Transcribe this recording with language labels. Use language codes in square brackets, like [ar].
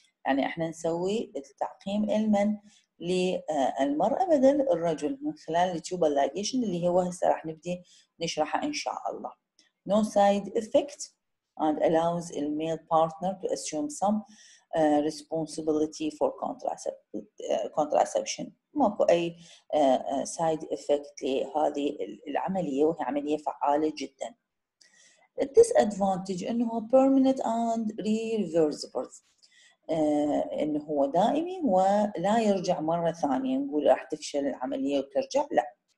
[ar] يعني إحنا نسوي التعقيم المن للمرأة بدل الرجل من خلال التيوبال ليجيشن اللي هو هسه راح نبدي نشرحه إن شاء الله. [en] No side effect and allows the male partner to assume some responsibility for contraception. [ar] ماكو أي سايد إفكت لهذه العملية وهي عملية فعالة جدا. Disadvantage إنه هو [en] permanent and reversible، [ar] إنه هو دائمي ولا يرجع مرة ثانية، نقول راح تفشل العملية وترجع لا.